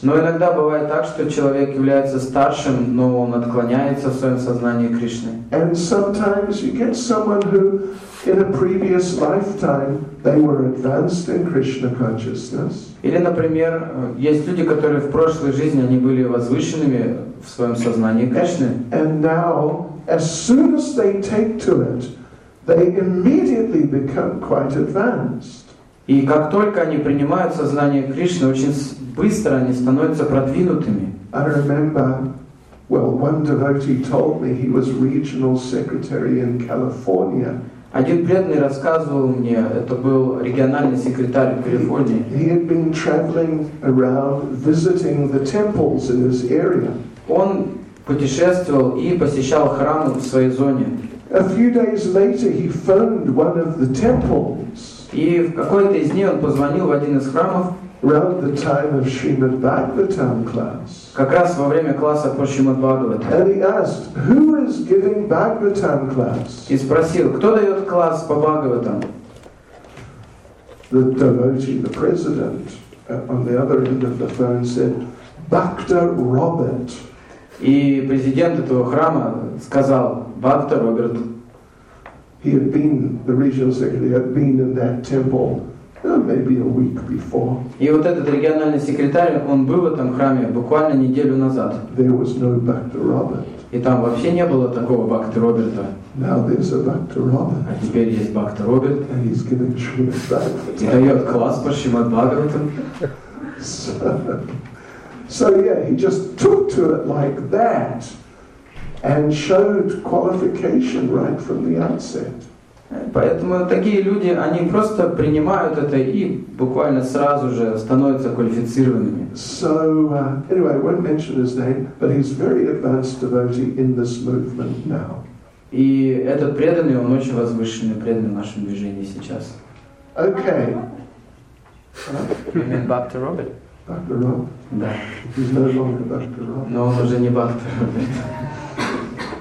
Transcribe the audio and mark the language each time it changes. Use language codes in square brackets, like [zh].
[ru] Но иногда бывает так, что человек является старшим, но он отклоняется в своем сознании Кришны. [en] And sometimes you get someone who in a previous lifetime they were advanced in Krishna consciousness. [ru] Или, например, есть люди, которые в прошлой жизни они были возвышенными в своем сознании Кришны. [en] And now, as soon as they take to it, they immediately become quite advanced. [ru] И как только они принимают сознание Кришны, очень быстро они становятся продвинутыми. [en] I remember, well, one devotee told me he was regional secretary in California. [ru] Один преданный рассказывал мне, это был региональный секретарь в Калифорнии. [en] He had been traveling around visiting the temples in his area. [ru] Он путешествовал и посещал храмы в своей зоне. [en] A few days later he phoned one of the temples. [ru] И в какой-то из дней он позвонил в один из храмов. [en] Around the time of Srimad Bhagavatam class. [ru] Как раз во время класса по Шримад Бхагаватам. [en] And he asked, who is giving Bhagavatam class? [ru] И спросил, кто дает класс по Бхагаватам? [en] The devotee, the president, on the other end of the phone said, Bhakta Robert. [ru] И президент этого храма сказал, Бхакта Роберт. [en] He had been, the regional secretary had been in that temple. Maybe a week before. [ru] И вот этот региональный секретарь, он был в этом храме буквально неделю назад. [en] There was no Bhakta Robert. [ru] И там вообще не было такого Бхакта Роберта. [en] Now there's a Bhakta Robert. [ru] А теперь есть Бхакта Роберт. [en] And he's giving Shrimad Bhagavatam. [ru] И дает класс по Шримад Бхагаватам. [en] So yeah, he just took to it like that and showed qualification right from the outset. [ru] Поэтому такие люди, они просто принимают это и буквально сразу же становятся квалифицированными. [en] So, anyway, I won't mention his name, but he's very advanced devotee in this movement now. [ru] И этот преданный, он очень возвышенный преданный в нашем движении сейчас. [en] Okay. You mean Bhakta Robert? Bhakta Robert? [ru] Да. [en] He's no longer Bhakta Robert. [ru] Но он уже не Бхакта Роберт.